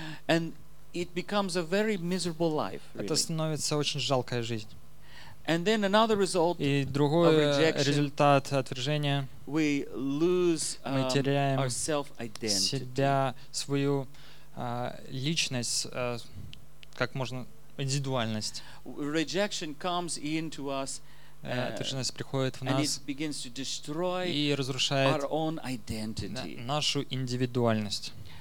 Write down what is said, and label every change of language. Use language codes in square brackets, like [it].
[en] And it becomes a very miserable life. [ru] Это становится очень жалкая жизнь. [en] And then another result of rejection. We lose our self-identity. [ru] Себя, свою личность, как можно индивидуальность. [en] Rejection comes into us. [ru] Отверженность приходит в нас и разрушает нашу индивидуальность.